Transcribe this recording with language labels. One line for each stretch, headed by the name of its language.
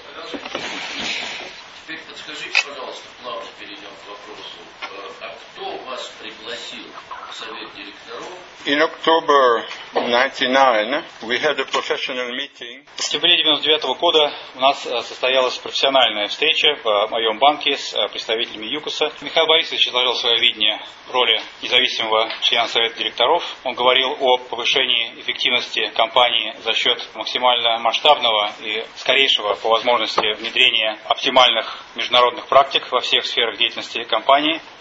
Russian: Теперь подскажите, пожалуйста, плавно перейдем к вопросу, а кто вас пригласил в совет директоров?
English: In October 99, we had a professional meeting.
Russian: В сентябре 99 года у нас состоялась профессиональная встреча в моем банке с представителями Юкоса. Михаил Борисович изложил свое видение роли независимого члена совета директоров. Он говорил о повышении эффективности компании за счет максимально масштабного и скорейшего по возможности внедрения оптимальных международных практик во всех сферах деятельности компании.